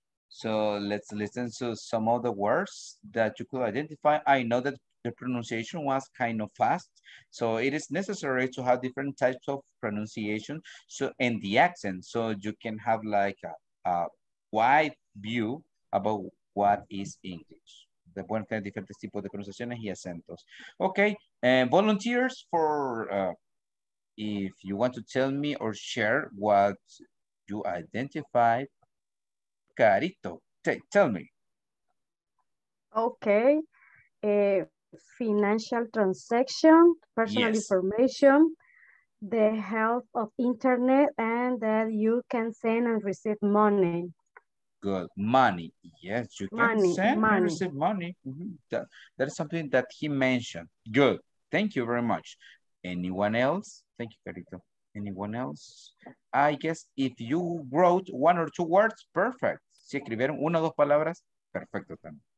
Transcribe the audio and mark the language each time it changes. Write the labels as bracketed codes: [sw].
[en] So let's listen to some of the words that you could identify. I know that The pronunciation was kind of fast. So it is necessary to have different types of pronunciation. So, and the accent, so you can have like a wide view about what is English. [es] De pueden tener diferentes tipos de pronunciaciones y acentos. [en] Okay, volunteers for, if you want to tell me or share what you identified, Carito, tell me. Okay, financial transaction, personal yes. information, the help of internet, and that you can send and receive money. Good, money, yes, you can money, send money. And receive money. Mm-hmm. That is something that he mentioned. Good, thank you very much. Anyone else? Thank you, Carito. Anyone else? I guess if you wrote one or two words, perfect. [es] Si escribieron una o dos palabras, perfecto también.